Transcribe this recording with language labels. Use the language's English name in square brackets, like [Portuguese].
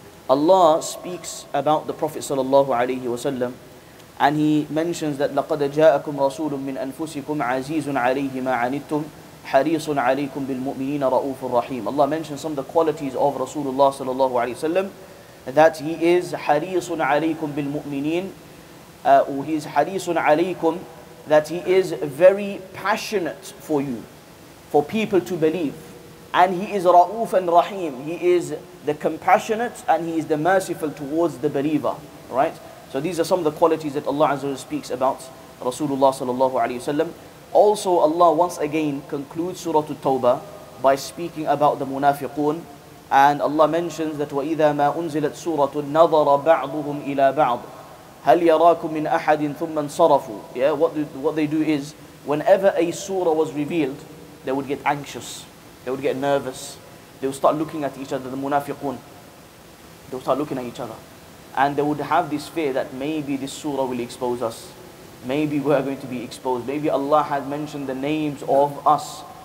[English] Allah speaks about the Prophet sallallahu alayhi wa sallam, and he mentions that [Arabic] لَقَدْ جَاءَكُمْ رَسُولٌ مِّنْ أَنفُسِكُمْ عَزِيزٌ عَلَيْهِ مَا عَنِتُّمْ حَرِيصٌ عَلَيْكُمْ بِالْمُؤْمِنِينَ رَؤُوفٌ رَحِيمٌ. [English] Allah mentions some of the qualities of Rasulullah sallallahu alayhi wa sallam, that he is [Arabic] حَرِيصٌ عَلَيْكُمْ بِالْمُؤْمِنِينَ, [English] he is [Arabic] حَرِيصٌ عَلَيْكُمْ, [English] that he is very passionate for you, for people to believe. And he is Ra'uf and Rahim. He is the compassionate and he is the merciful towards the believer. Right? So these are some of the qualities that Allah Azza wa Jalla speaks about Rasulullah sallallahu alayhi wa sallam. Also, Allah once again concludes Surah At-Tawbah by speaking about the Munafiqun. And Allah mentions that [Arabic] وَإِذَا مَا أُنزِلَتْ سُورَةٌ نَظَرَ بَعْضُهُمْ إِلَىٰ بَعْضٍ هَلْ يَرَاكُمْ مِنْ أَحَدٍ ثُمَّ انصَرَفُوا. [English] Yeah, what they do is, whenever a surah was revealed, they would get anxious. They would get nervous. They would start looking at each other, the munafiqun. They would start looking at each other. And they would have this fear that maybe this surah will expose us. Maybe we are going to be exposed. Maybe Allah has mentioned the names of us.